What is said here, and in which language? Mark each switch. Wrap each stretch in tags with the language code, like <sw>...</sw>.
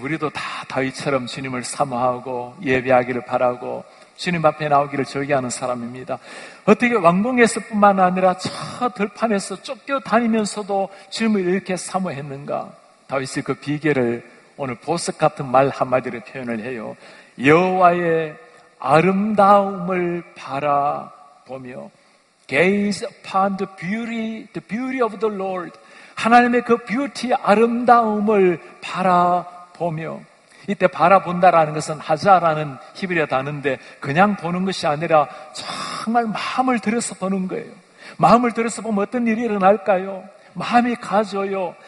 <ko>우리도 다 다윗처럼 주님을 사모하고 예배하기를 바라고 주님 앞에 나오기를 즐겨하는 사람입니다. 어떻게 왕궁에서 뿐만 아니라 저 들판에서 쫓겨다니면서도 주님을 이렇게 사모했는가? 다윗의 그 비결을 오늘 보석 같은 말 한마디로 표현을 해요. 여호와의 아름다움을 바라보며,</ko> <en>Gaze upon the beauty of the Lord.</en> <ko>하나님의 그 뷰티, 아름다움을 바라보며. 이때 바라본다라는 것은 하자라는 히브리어 단어인데 그냥 보는 것이 아니라 정말 마음을 들여서 보는 거예요. 마음을 들여서 보면 어떤 일이 일어날까요? 마음이 가져요.</ko>